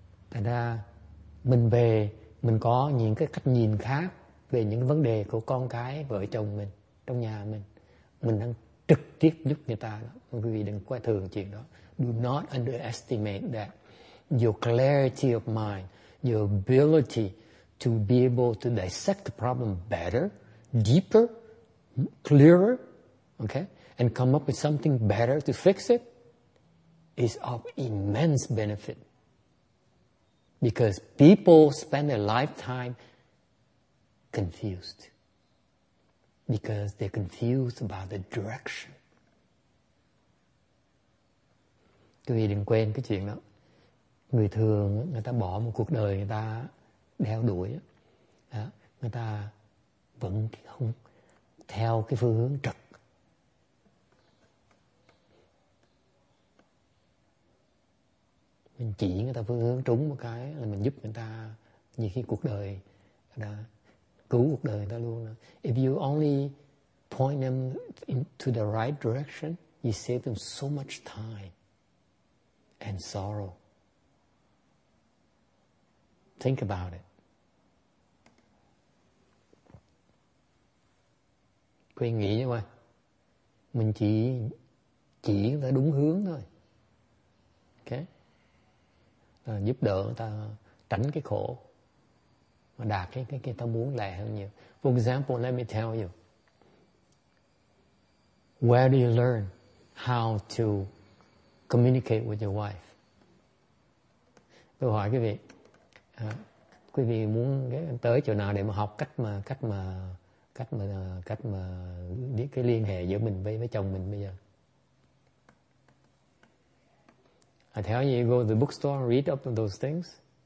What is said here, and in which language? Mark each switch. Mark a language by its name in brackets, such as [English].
[Vietnamese] Thành ra, mình về, mình có những cái cách nhìn khác về những vấn đề của con cái, vợ chồng mình, trong nhà mình. Mình đang trực tiếp giúp người ta đó. Quý vị đừng quá thường chuyện đó. [English] Do not underestimate that. Your clarity of mind, your ability to be able to dissect the problem better, deeper, clearer, okay, and come up with something better to fix it, is of immense benefit. Because people spend their lifetime confused. Because they're confused about the direction. [Vietnamese] Quý vị đừng quên cái chuyện đó. Người thường người ta bỏ một cuộc đời người ta đeo đuổi đó, người ta vẫn không theo cái phương hướng trực. Mình chỉ người ta phương hướng trúng một cái là mình giúp người ta nhiều khi cuộc đời đã cứu cuộc đời người ta luôn. [English] If you only point them into the right direction, you save them so much time and sorrow. Think about it. [Vietnamese] Quý vị nghĩ như vậy. Mình chỉ người ta đúng hướng thôi. Okay. Là giúp đỡ người ta tránh cái khổ. Mà đạt cái ta muốn lẹ hơn nhiều. [English] For example, let me tell you. Where do you learn how to communicate with your wife? [Vietnamese] Tôi hỏi quý vị. Quý vị muốn tới chỗ nào để mà học cách mà biết cái liên hệ giữa mình với chồng mình bây giờ? [English] I tell you, you go to the bookstore and read up on those things.